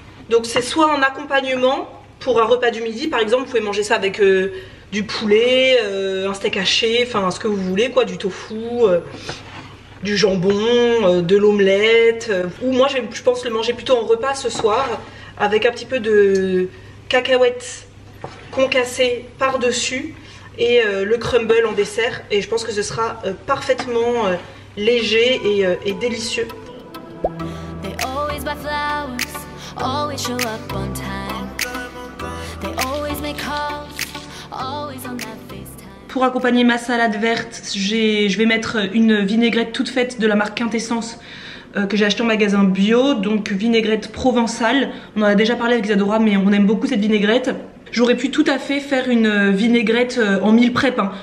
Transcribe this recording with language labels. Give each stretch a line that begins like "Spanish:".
French: Donc c'est soit un accompagnement pour un repas du midi, par exemple, vous pouvez manger ça avec du poulet, un steak haché, enfin ce que vous voulez, quoi, du tofu, du jambon, de l'omelette. Ou moi, je pense le manger plutôt en repas ce soir, avec un petit peu de cacahuètes concassées par-dessus et le crumble en dessert, et je pense que ce sera parfaitement léger et délicieux.
English: They always buy flowers, always show up on time. They always make calls, always on that FaceTime.
French: Pour accompagner ma salade verte, je vais mettre une vinaigrette toute faite de la marque Quintessence que j'ai acheté en magasin bio, donc vinaigrette provençale. On en a déjà parlé avec Isadora, mais on aime beaucoup cette vinaigrette. J'aurais pu tout à fait faire une vinaigrette en meal prep, hein.